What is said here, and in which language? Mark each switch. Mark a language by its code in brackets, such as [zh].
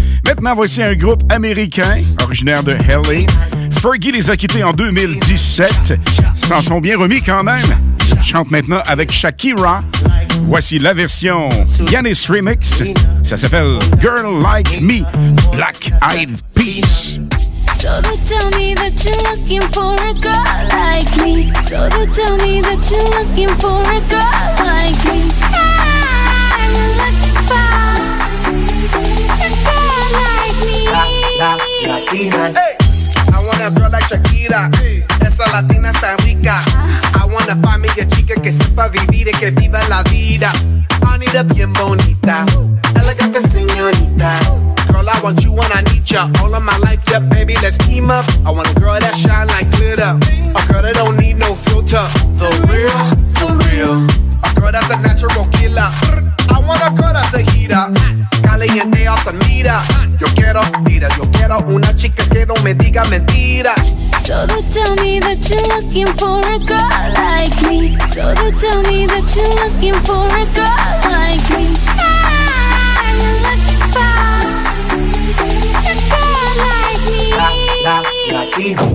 [fr] Maintenant, voici un groupe américain, originaire de LA. Fergie les a quittés en 2017. S'en sont bien remis quand même. Chante maintenant avec Shakira. Voici la version Yannis Remix. Ça s'appelle Girl Like Me, Black Eyed Peas. [en] So they tell me that you're looking for a girl like me. So they tell me that you're looking for a girl like me. I'm looking for a girl like me. I want a girl like Shakira. [es] Esa latina está rica. [en] I want a [es] familia chica que sepa vivir y que viva la vida. Bonita, bien bonita. Elegante señorita. [en] Girl, I want you when I need ya. All of my life, yeah, baby, let's team up. I want a girl that shine like glitter. A girl that don't need no filter. The real, the real. A girl that's a natural killer. I want a girl that's a heater. Caliente off the meter. [es] Yo quiero, mira, yo quiero una chica que no me diga mentira. [en] So they tell me that you're looking for a girl like me. So they tell me that you're looking for a girl like me. I'm looking for a girl like me.